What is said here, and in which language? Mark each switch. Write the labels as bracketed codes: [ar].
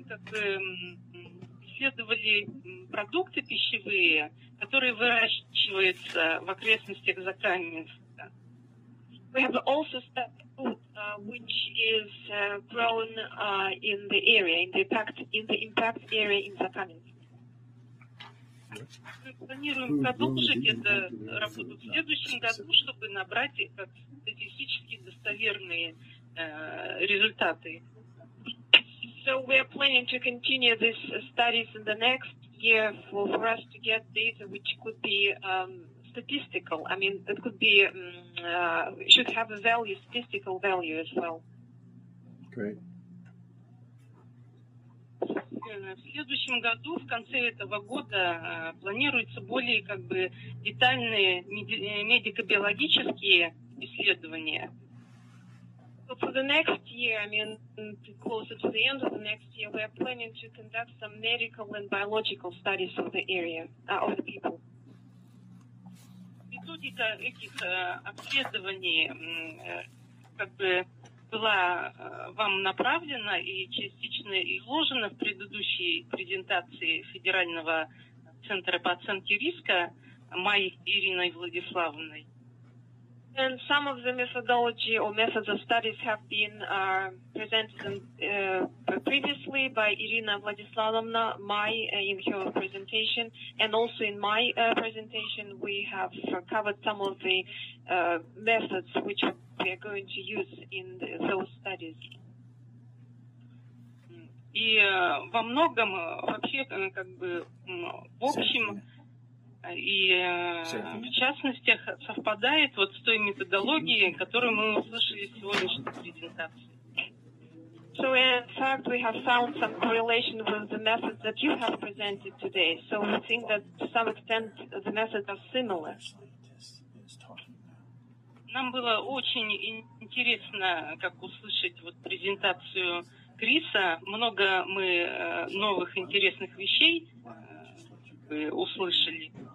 [ru] Исследовали продукты пищевые, которые выращиваются в окрестностях Закаменска. [en] We have also studied food, which is grown in the area, in the impact area in Закаменск. [ru] Мы планируем продолжить эту работу в следующем году, чтобы набрать статистически достоверные результаты. [en] So we are planning to continue these studies in the next year for us to get data which could be statistical. I mean, it could be should have a value, statistical value as well. Great. [ru] В следующем году, в конце этого года, планируется более как бы детальные медико-биологические исследования. [en] So for the next year, I mean, closer to the end of the next year, we are planning to conduct some medical and biological studies of the area, of the people. [ru] Методика этих обследований как бы была вам направлена и частично изложена в предыдущей презентации Федерального центра по оценке риска моей Ириной Владиславовной. [en] And some of the methodology or methods of studies have been presented previously by Irina Vladislavovna, in her presentation, and also in my presentation we have covered some of the methods which we are going to use in those studies. [ru] И во многом вообще как бы в общем. И в частностях совпадает вот с той методологией, которую мы услышали в сегодняшней презентации. [en] So in fact we have found some correlation with the methods that you have presented today. So we think that to some extent the methods are similar. [ru] Нам было очень интересно как услышать вот презентацию Криса. Много мы новых интересных вещей услышали.